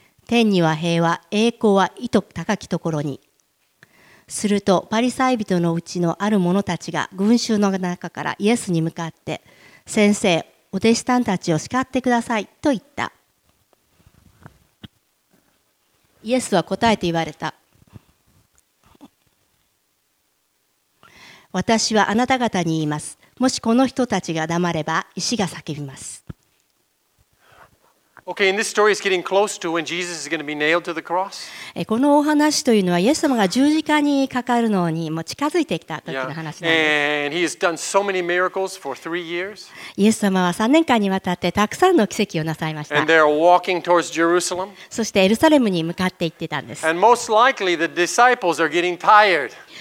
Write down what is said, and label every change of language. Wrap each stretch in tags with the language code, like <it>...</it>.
<ja>天には平和、栄光は意図高きところに。するとパリサイ人のうちのある者たちが群衆の中からイエスに向かって、先生、お弟子さんたちを叱ってくださいと言った。イエスは答えて言われた。私はあなた方に言います。もしこの人たちが黙れば、石が叫びます。</ja> <en>Okay, and this story is getting close to when Jesus is going to be nailed to the cross.</en> <ja>このお話というのは、イエス様が十字架にかかるのにもう近づいてきた時の話なんです。</ja> <en>Yeah. And he has done so many miracles for three years.</en> <ja>イエス様は3年間にわたってたくさんの奇跡をなさいました。</ja> <en>And they are walking towards Jerusalem.</en> <ja>そしてエルサレムに向かって行ってたんです。</ja> <en>And most likely the disciples are getting tired.</en>